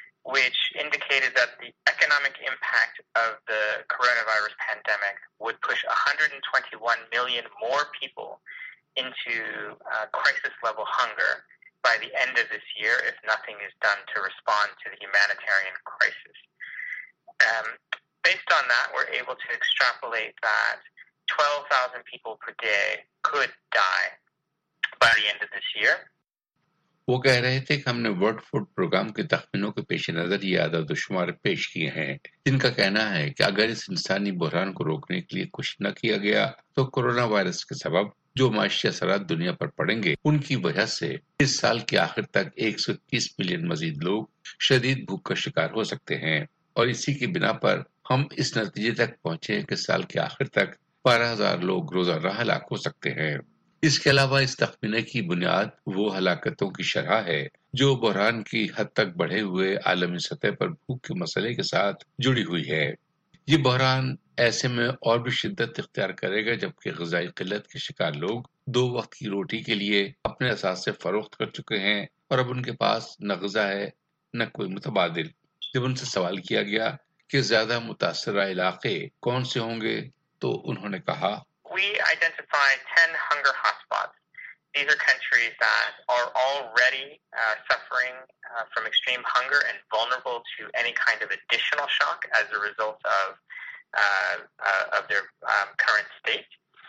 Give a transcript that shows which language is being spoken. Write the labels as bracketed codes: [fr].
[en] which indicated that the economic impact of the coronavirus pandemic would push 121 million more people into crisis level hunger by the end of this year if nothing is done to respond to the humanitarian crisis. Based on that, we're able to extrapolate that 12,000 people per day could die by the end of this year. [ur] وہ کہہ رہے تھے کہ ہم نے world food programme کے تخمینوں کے پیش نظر یہ اعداد و شمار پیش کیے ہیں، جن کا کہنا ہے کہ اگر اس انسانی بحران کو روکنے کے لیے کچھ نہ کیا گیا تو کورونا وائرس کے سبب جو معاشی اثرات دنیا پر پڑیں گے ان کی وجہ سے اس سال کے آخر تک 130 ملین مزید لوگ شدید بھوک کا شکار ہو سکتے ہیں، اور اسی کی بنا پر ہم اس نتیجے تک پہنچے ہیں کہ سال کے آخر تک 12,000 لوگ روزانہ ہلاک ہو سکتے ہیں. اس کے علاوہ اس تخمینے کی بنیاد وہ ہلاکتوں کی شرح ہے جو بحران کی حد تک بڑھے ہوئے عالمی سطح پر بھوک کے مسئلے کے ساتھ جڑی ہوئی ہے۔ یہ بحران ایسے میں اور بھی شدت اختیار کرے گا جبکہ غذائی قلت کے شکار لوگ دو وقت کی روٹی کے لیے اپنے اثاثے فروخت کر چکے ہیں اور اب ان کے پاس نہ غذا ہے نہ کوئی متبادل۔ جب ان سے سوال کیا گیا کہ زیادہ متاثرہ علاقے کون سے ہوں گے تو انہوں نے کہا، [en] We identify 10 hunger hotspots. These are countries that are already suffering from extreme hunger and vulnerable to any kind of additional shock as a result of their current state.